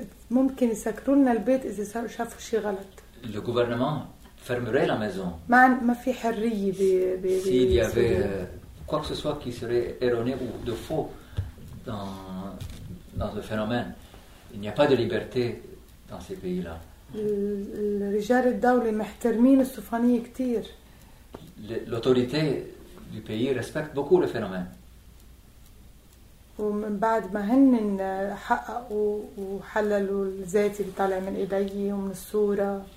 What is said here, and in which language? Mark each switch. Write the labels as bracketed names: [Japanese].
[Arabic] ممكن يسكرون البيت إذا شافوا شيء غلط. [French] Le gouvernement fermerait la maison. [Arabic] ما في حرية [French] s'il y avait quoi que ce soit qui serait erroné ou de faux dans le phénomène, il n'y a pas de liberté dans ces pays-là. [Arabic] رجال الدولة محترمين السفنية كتير. [French] L'autorité du pays respecte beaucoup le phénomène. [Arabic] ومن بعد ما هن حققوا وحللوا الزيت اللي طالع من ايدي ومن الصورة